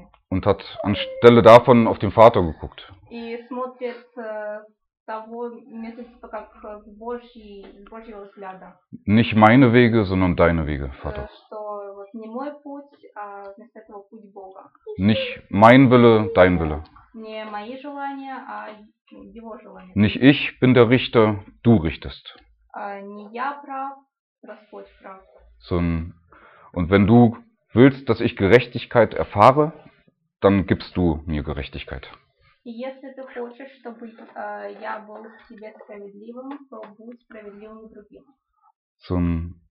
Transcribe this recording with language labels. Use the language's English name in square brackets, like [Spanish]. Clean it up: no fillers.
[German] Und hat anstelle davon auf den Vater geguckt. Nicht meine Wege, sondern deine Wege, Vater. [Russian] Не мой путь, а вместо этого путь Бога. [German] Nicht mein Wille, dein Wille. [Russian] Не мои желания, а его желания. [German] Nicht ich bin der Richter, du richtest. [Russian] Не я прав, Господь прав. [German] Und wenn du willst, dass ich Gerechtigkeit erfahre, dann gibst du mir Gerechtigkeit. [Russian] И если ты хочешь, чтобы я был к тебе справедливым, то будь справедливым к другим.